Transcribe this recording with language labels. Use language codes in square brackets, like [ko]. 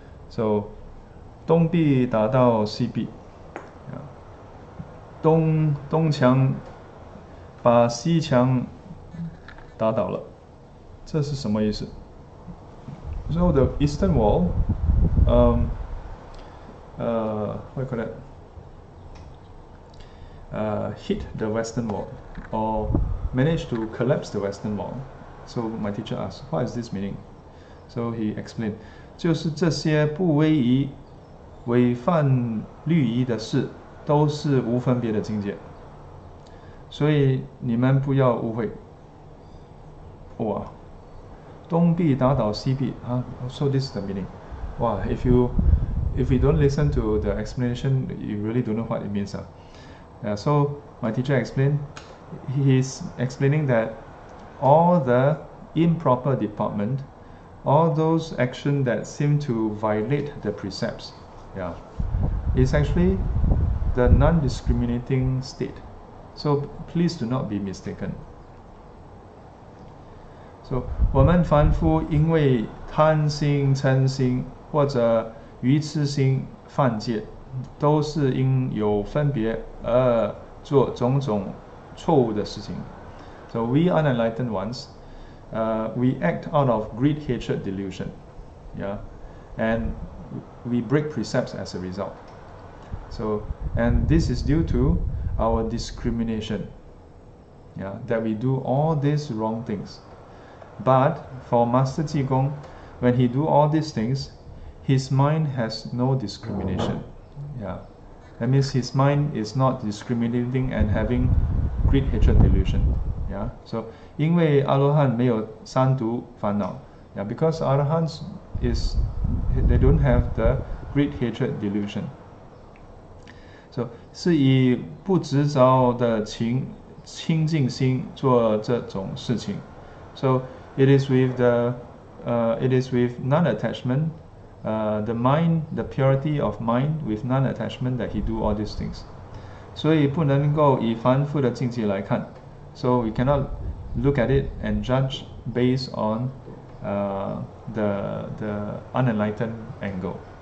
[zh] So 东壁打到西壁, 东墙把西墙打倒了，这是什么意思？ [en] So the eastern wall, what you call that? Hit the western wall, or managed to collapse the western wall. So my teacher asked, "What is this meaning?" So he explained, [zh] 就是这些不唯一、违反律仪的事。都是无分别的境界，所以你们不要误会。哇，东壁打倒西壁, so this is the meaning. [en] Wow, if you don't listen to the explanation, you really don't know what it means. Yeah, so my teacher explained, he's explaining that all the improper department, all those actions that seem to violate the precepts, yeah, is actually the non-discriminating state. So please do not be mistaken. [zh] So 我们凡夫因为贪心、嗔心或者愚痴心犯戒，都是因有分别而做种种错误的事情. [en] So we unenlightened ones, we act out of greed, hatred, delusion, yeah, and we break precepts as a result. So, and this is due to our discrimination, yeah, that we do all these wrong things. But for Master Ji Gong, when he do all these things, his mind has no discrimination, yeah. That means his mind is not discriminating and having greed, hatred, delusion, yeah. So, [zh] 因为阿罗汉没有三毒烦恼, [en] yeah, because Arahants they don't have the greed, hatred, delusion. [zh] So, 是以不执着的清净心做这种事情. [en] So, it is with non-attachment, the mind, the purity of mind with non-attachment that he do all these things. [zh] 所以不能够以凡夫的境界来看. [en] So, we cannot look at it and judge based on the unenlightened angle.